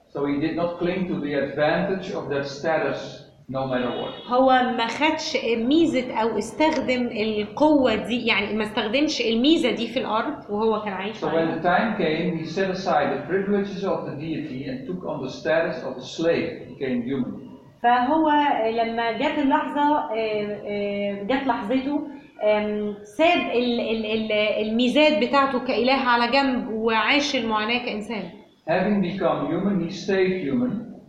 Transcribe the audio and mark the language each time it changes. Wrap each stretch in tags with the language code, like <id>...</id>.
<en>So he did not cling to the advantage of that status. No matter what.</en> <ar>هو ما خدش ميزة أو استخدم القوة دي يعني ما استخدمش الميزة دي في الأرض وهو كان عايش.</ar> <en>So when the time came, he set aside the privileges of the deity and took on the status of a slave, became human.</en> <ar>فهو لما جت اللحظة جت لحظته ساب الميزات بتاعته كإله على جنب وعاش المعاناة كإنسان.</ar> <en>Having become human, he stayed human.</en>